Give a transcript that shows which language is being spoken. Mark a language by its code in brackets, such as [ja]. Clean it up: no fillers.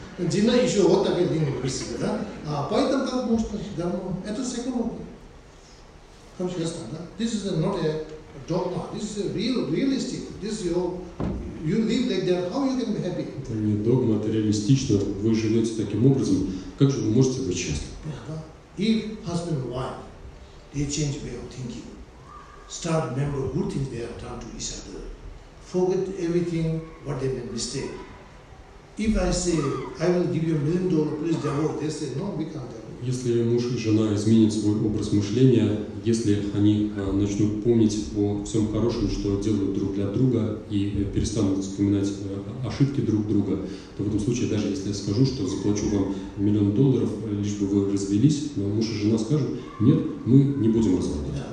[ru] Дина еще вот так и длинный присыл, да? А поэтому как можно гармон? Это психология. Короче, ясно, да? [en] This is not a dogma. This is a realistic. This is you live like that. How you can be happy? [ru] Это не догма, это реалистично. Вы живете таким образом. Как же вы можете быть счастливы? Да. [en] If husband and wife, they change way of thinking. Start remember good things they have done to each other. Forget everything what they made mistake. If I say I will give you $1 million, please divorce, they say no, we can't divorce. [ru] Если муж и жена изменят свой образ мышления, если они начнут помнить о всем хорошем, что делают друг для друга, и перестанут вспоминать ошибки друг друга, то в этом случае, даже если я скажу, что заплачу вам $1 million, лишь бы вы развелись, но муж и жена скажут, нет, мы не будем разводиться.